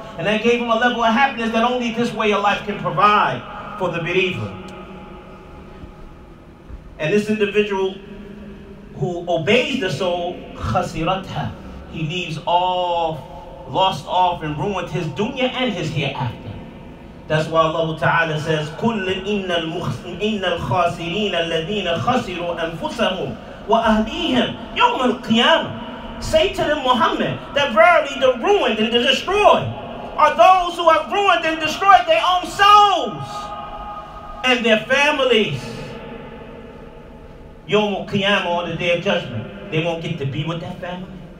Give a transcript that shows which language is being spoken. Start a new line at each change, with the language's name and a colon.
English: And that gave him a level of happiness that only this way of life can provide for the believer. And this individual who obeys the soul, khasiratha, he leaves off, lost off and ruined his dunya and his hereafter. That's why Allah Ta'ala says,
Arabic: كُلِّ إِنَّ الْخَاسِرِينَ الَّذِينَ خَسِرُوا أَنفُسَهُمْ وَأَهْلِيهِمْ يَوْمَ الْقِيَامَةِ.
English: Say to the Muhammad, that verily the ruined and the destroyed are those who have ruined and destroyed their own souls and their families. Yom Qiyamah, on the day of judgment, they won't get to be with that family.